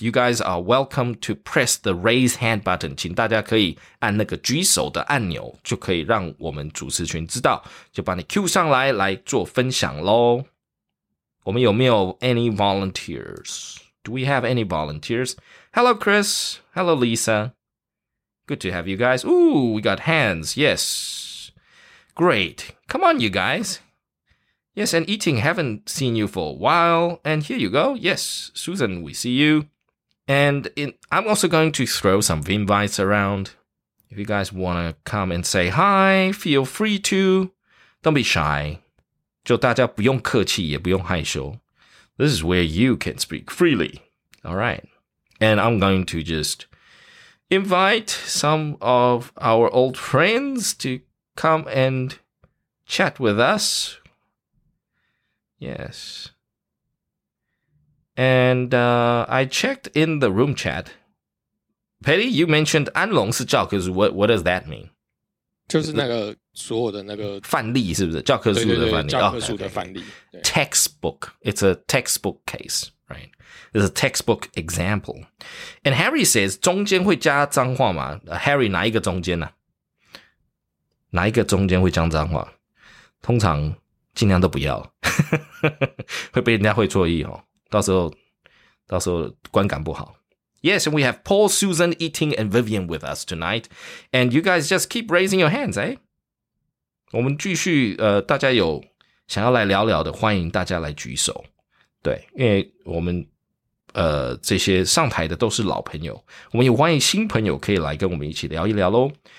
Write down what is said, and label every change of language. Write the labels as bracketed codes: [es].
[en] You guys are welcome to press the raise hand button. [zh] 请大家可以按那个举手的按钮，就可以让我们主持群知道，就把你 cue 上来，来做分享咯。我们有没有 [en] any volunteers? Do we have any volunteers? Hello, Chris. Hello, Lisa. Good to have you guys. Ooh, we got hands. Yes. Great. Come on, you guys. Yes, and Yiting, haven't seen you for a while. And here you go. Yes, Susan, we see you. And I'm also going to throw some invites around. If you guys want to come and say hi, feel free to. Don't be shy. [zh] 就大家不用客气，也不用害羞。 [en] This is where you can speak freely. All right. And I'm going to just invite some of our old friends to come and chat with us. Yes. And I checked in the room chat. Petty, you mentioned [zh] 安龙是教科书. [en] What does that mean? [zh] 就是那个所有的那个范例是不是教科书的范例？对对对，教科书的范例。 [en] Okay, okay. Textbook. It's a textbook case, right? It's a textbook example. And Harry says, [zh] 中间会加脏话吗？Harry, 哪一个中间呢、啊？哪一个中间会加脏话？通常尽量都不要，会被人家会错意哦。到时候观感不好。 [en] Yes, and we have Paul, Susan, Yiting, and Vivian with us tonight. And you guys just keep raising your hands, eh? [zh] 我们继续大家有想要来聊聊的欢迎大家来举手。对，因为我们这些上台的都是老朋友。我们也欢迎新朋友可以来跟我们一起聊一聊咯。